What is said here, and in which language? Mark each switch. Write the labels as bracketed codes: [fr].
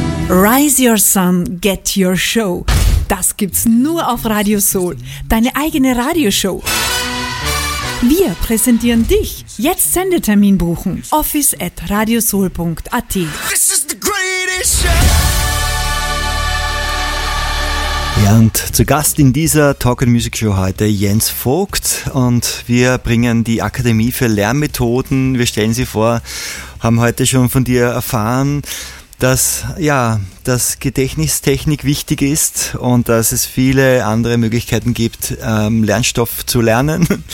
[en] Rise Your Sun, Get Your Show. [de] Das gibt's nur auf Radio Soul. Deine eigene Radioshow. Wir präsentieren dich. Jetzt Sendetermin buchen. office@radiosoul.at. [en] This is the greatest show. [de] Ja, und zu Gast in dieser Talk and Music Show heute Jens Vogt. Und wir bringen die Akademie für Lernmethoden. Wir stellen sie vor, haben heute schon von dir erfahren, dass ja, dass Gedächtnistechnik wichtig ist und dass es viele andere Möglichkeiten gibt, Lernstoff zu lernen.